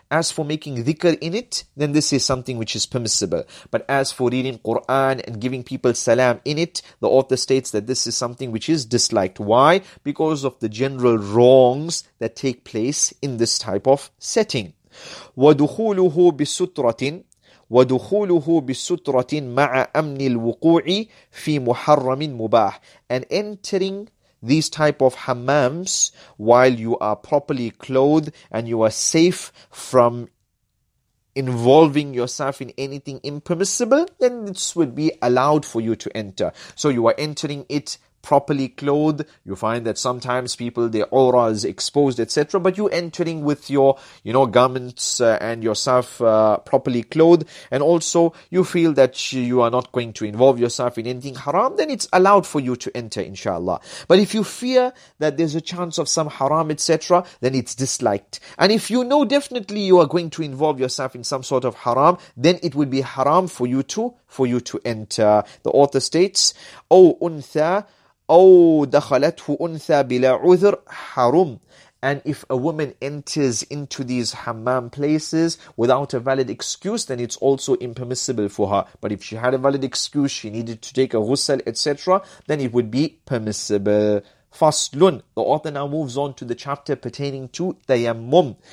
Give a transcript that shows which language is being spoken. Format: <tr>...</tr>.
<en>As for making dhikr in it, then this is something which is permissible. But as for reading Quran and giving people salam in it, the author states that this is something which is disliked. Why? Because of the general wrongs that take place in this type of setting.</en> <ar>وَدُخُولُهُ بِسُّتْرَةٍ ودخوله بسترة مع أمن الوقوع في محرم مباح.</ar> <en>And entering these type of hammams while you are properly clothed and you are safe from involving yourself in anything impermissible, then this would be allowed for you to enter. So you are entering it properly clothed. You find that sometimes people, their aura is exposed, etc. But you entering with your, you know, garments and yourself properly clothed, and also you feel that you are not going to involve yourself in anything haram, then it's allowed for you to enter, inshallah. But if you fear that there's a chance of some haram, etc., then it's disliked. And if you know definitely you are going to involve yourself in some sort of haram, then it would be haram for you to enter. The author states,</en> <ar>O untha, أو دخلته أنثى بلا عذر حرم.</ar> <en>And if a woman enters into these hammam places without a valid excuse, then it's also impermissible for her. But if she had a valid excuse, she needed to take a ghusl, etc., then it would be permissible. Faslun. The author now moves on to the chapter pertaining to tayammum.</en>